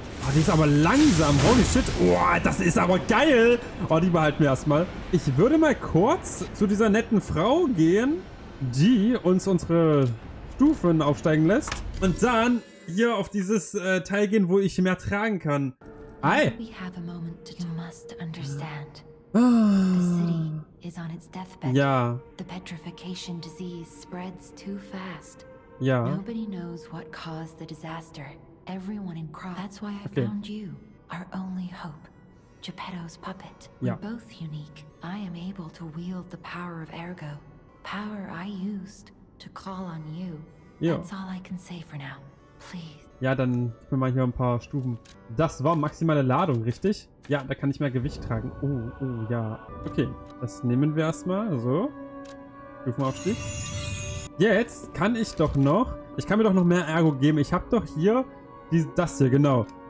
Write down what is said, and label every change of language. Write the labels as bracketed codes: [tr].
[de] Oh, die ist aber langsam. Holy shit. Oh, das ist aber geil. Oh, die behalten wir erstmal. Ich würde mal kurz zu dieser netten Frau gehen, die uns unsere Stufen aufsteigen lässt. Und dann hier auf dieses Teil gehen, wo ich mehr tragen kann. Hi. [en] We have a moment to must understand. The city is on its deathbed. Ja. The petrification disease spreads too fast. Ja. Nobody knows what caused the disaster. Everyone in Croft. That's why I found you. Our only hope. Geppetto's puppet. Ja. We're both unique. I am able to wield the power of Ergo. Power I used to call on you. Jo. That's all I can say for now. Please. [de] Ja, dann gib mir mal hier ein paar Stufen. Das war maximale Ladung, richtig? Ja, da kann ich mehr Gewicht tragen. Oh, ja. Okay, das nehmen wir erstmal. So. Stufenaufstieg. Jetzt kann ich doch noch... Ich kann mir doch noch mehr Ergo geben. Ich habe doch hier das hier, genau.